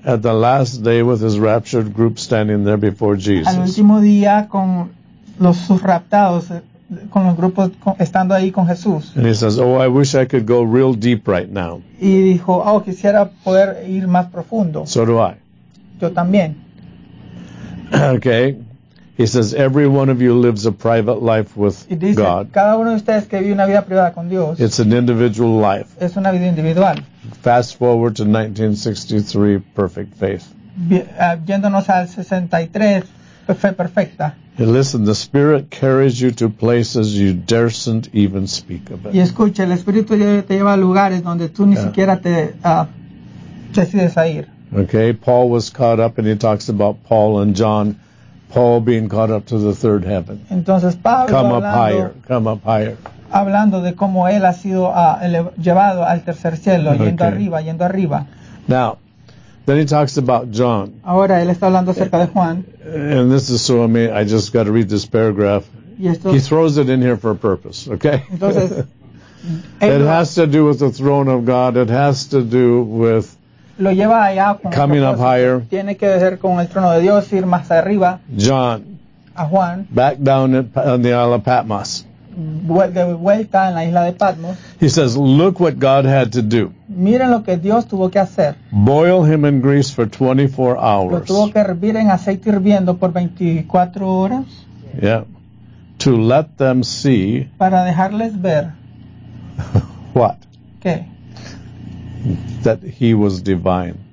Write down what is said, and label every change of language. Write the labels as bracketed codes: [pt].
[en] At the last day with his raptured group standing there before Jesus. [es] Al último día con los sus raptados, con los grupos estando ahí con Jesús. [en] And he says, oh, I wish I could go real deep right now. [es] Y dijo, oh, quisiera poder ir más profundo. [en] So do I. [es] Yo también. [en] Okay. He says, every one of you lives a private life with God. [es] Cada uno de ustedes que vive una vida privada con Dios. [en] It's an individual life. [es] Es una vida individual. [en] Fast forward to 1963, perfect faith. [es] Yéndonos al 63, fe perfecta. [en] And listen, the Spirit carries you to places you daren't even speak of it. [es] Y escucha, el Espíritu te lleva a lugares donde tú ni [en] yeah. [es] siquiera te decides a ir. [en] Okay, Paul was caught up and he talks about Paul and John. Paul being caught up to the third heaven. [es] Entonces, Pablo [en] come [es] hablando, [en] up higher. Come up higher. [es] Hablando de cómo él ha sido llevado al tercer cielo, okay. Yendo arriba, yendo arriba. [en] Now, then he talks about John. [es] Ahora, él está hablando acerca de Juan. [en] And this is so amazing. I just got to read this paragraph. [es] Y esto, [en] he throws it in here for a purpose, okay? [es] Entonces, [en] it has to do with the throne of God. It has to do with [es] lo lleva allá con [en] coming up higher. [es] Tiene que ver con el trono de Dios, ir más arriba. [en] John. [es] A Juan. [en] Back down on the Isle of Patmos. [es] De vuelta en la isla de Patmos. [en] He says, look what God had to do. [es] Miren lo que Dios tuvo que hacer. [en] Boil him in grease for 24 hours. [es] Lo tuvo que hervir en aceite hirviendo por 24 horas. [en] Yeah. To let them see. [es] Para dejarles ver. [en] What? [es] ¿Qué? [en] That he was divine.